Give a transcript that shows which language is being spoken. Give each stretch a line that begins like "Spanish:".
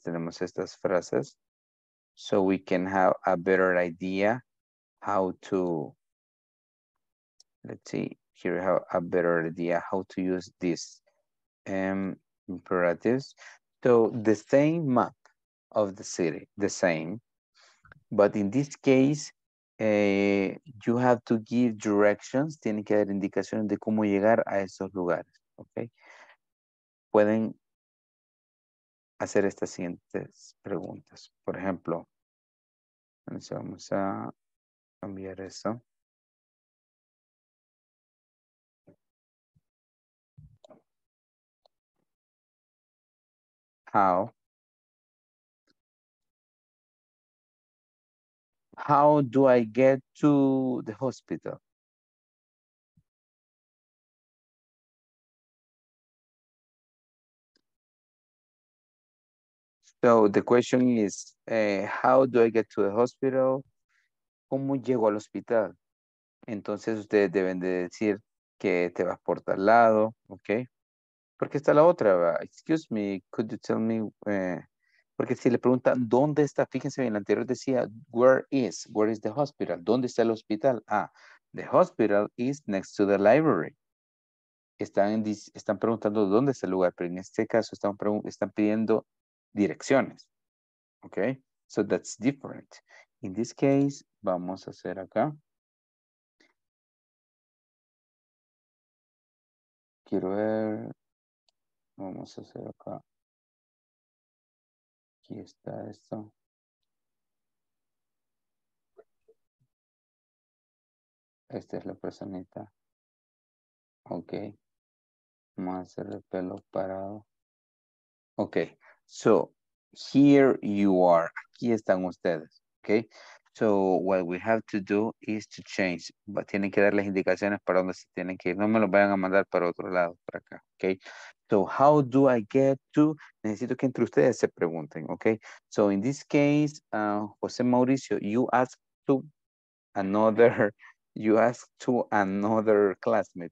Spanish: Tenemos estas frases.
English: So we can have a better idea how to, let's see, here we have a better idea how to use these imperatives. So the same map of the city, the same. But in this case, you have to give directions.
Spanish: Tienen que dar indicaciones de cómo llegar a esos lugares. Okay. Pueden hacer estas siguientes preguntas. Por ejemplo, vamos a cambiar eso.
English: How? How do I get to the hospital? So the question is, how do I get to the hospital?
Spanish: ¿Cómo llego al hospital? Entonces ustedes deben de decir que te vas por tal lado, okay? Porque está la otra,
English: excuse me, could you tell me,
Spanish: porque si le preguntan dónde está, fíjense bien, anterior decía,
English: where is the hospital?
Spanish: ¿Dónde está el hospital?
English: Ah, the hospital is next to the library.
Spanish: Están preguntando dónde está el lugar, pero en este caso están pidiendo direcciones.
English: Okay, so that's different. In this case,
Spanish: vamos a hacer acá. Quiero ver. Vamos a hacer acá. Aquí está esto. Esta es la personita. Ok. Vamos a hacer el pelo parado. Ok.
English: So, here you are.
Spanish: Aquí están ustedes.
English: Ok. So, what we have to do is to change.
Spanish: Tienen que dar las indicaciones para dónde se tienen que ir. No me lo vayan a mandar para otro lado, para acá.
English: Ok. So, how do I get to?
Spanish: Necesito que entre ustedes se pregunten,
English: okay? So, in this case, José Mauricio, you ask to another classmate.